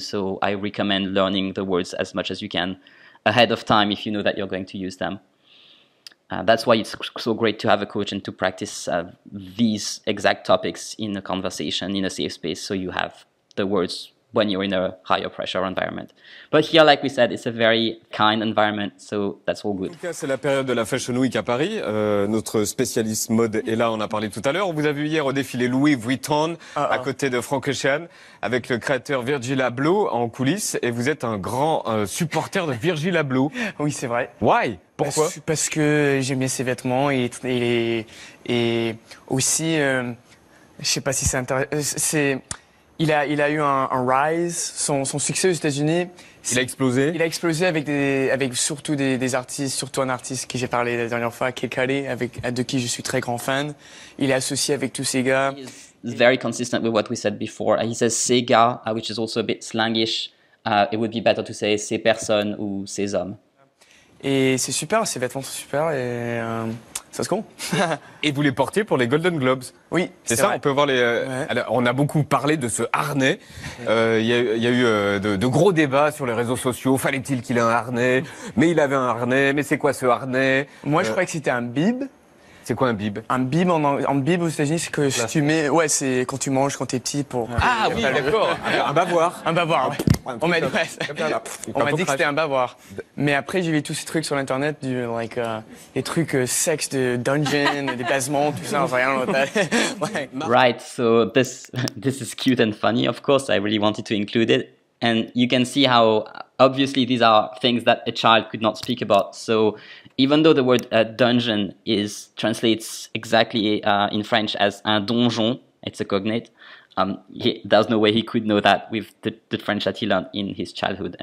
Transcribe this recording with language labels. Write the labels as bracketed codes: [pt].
[en] So I recommend learning the words as much as you can ahead of time if you know that you're going to use them. That's why it's so great to have a coach and to practice these exact topics in a conversation, in a safe space, so you have the words when you're in a higher pressure environment. But here, like we said, it's a very kind environment, so that's all good. [fr] En tout cas, c'est la période de la Fashion Week à Paris. Notre spécialiste mode est là, on a parlé tout à l'heure. On vous a vu hier au défilé Louis Vuitton, à côté de Frank Ocean, avec le créateur Virgil Abloh en coulisses. Et vous êtes un grand supporter de Virgil Abloh. Oui, c'est vrai. [en] Why? [fr] Pourquoi? Parce que j'aime bien ses vêtements et aussi, je sais pas si c'est intéressant, Il a eu un rise, son succès aux États-Unis. Il a explosé. Il a explosé avec surtout des artistes, surtout un artiste que j'ai parlé la dernière fois, Kid Cudi, de qui je suis très grand fan. Il est associé avec tous ces gars. [en] He's very consistent with what we said before. He says Sega, which is also a bit slangish. It would be better to say [fr] ces personnes ou ces hommes. Et c'est super, ses vêtements sont super et ça se compte. Et vous les portez pour les Golden Globes. Oui, c'est ça. Vrai. On peut voir les. Alors, on a beaucoup parlé de ce harnais. Il y a eu de gros débats sur les réseaux sociaux. Fallait-il qu'il ait un harnais? Mais il avait un harnais. Mais c'est quoi ce harnais? Moi, je croyais que c'était un bib. C'est quoi un bib? Un bib en bib aux États-Unis, c'est que si tu mets. Ouais, c'est quand tu manges, quand t'es petit pour. Ah oui, d'accord. Un bavoir. Un bavoir. Ouais. On m'a dit que c'était un bavoir. Mais après, j'ai vu tous ces trucs sur l'internet, des trucs sexe de dungeon, des basements, tout ça, rien d'autre. [en] Right, so this is cute and funny, of course. I really wanted to include it. And you can see how obviously these are things that a child could not speak about. So even though the word dungeon translates exactly in French as un donjon, it's a cognate, there's no way he could know that with the French that he learned in his childhood.